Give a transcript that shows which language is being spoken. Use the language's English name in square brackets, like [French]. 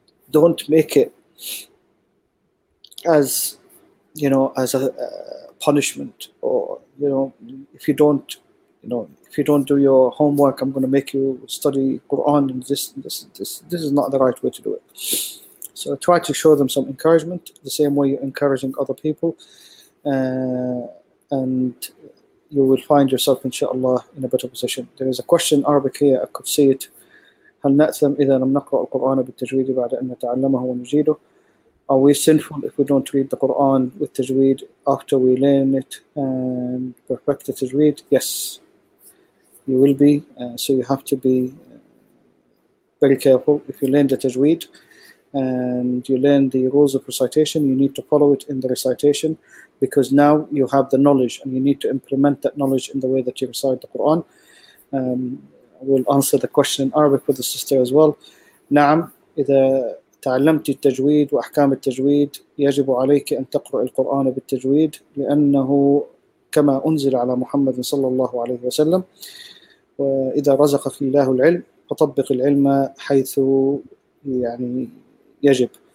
[English] Don't make it as, you know, as a punishment, or, you know, if you don't, you know, if you don't do your homework, I'm going to make you study Quran, and this is not the right way to do it. So try to show them some encouragement, the same way you're encouraging other people, and you will find yourself, inshallah, in a better position. There is a question in Arabic here, I could see it. [Arabic] هل نأثم إذا لم نقرأ القرآن بالتجويد بعد أن نتعلمه ونجيده? [English] Are we sinful if we don't read the Quran with tajweed after we learn it and perfect the tajweed? Yes, you will be. So you have to be very careful. If you learn the tajweed and you learn the rules of recitation, you need to follow it in the recitation, because now you have the knowledge and you need to implement that knowledge in the way that you recite the Quran. We'll answer the question in Arabic with the sister as well. [Arabic] نعم إذا تعلمت التجويد وأحكام التجويد يجب عليك أن تقرأ القرآن بالتجويد لأنه كما أنزل على محمد صلى الله عليه وسلم وإذا رزقك الله العلم فطبق العلم حيث يعني يجب.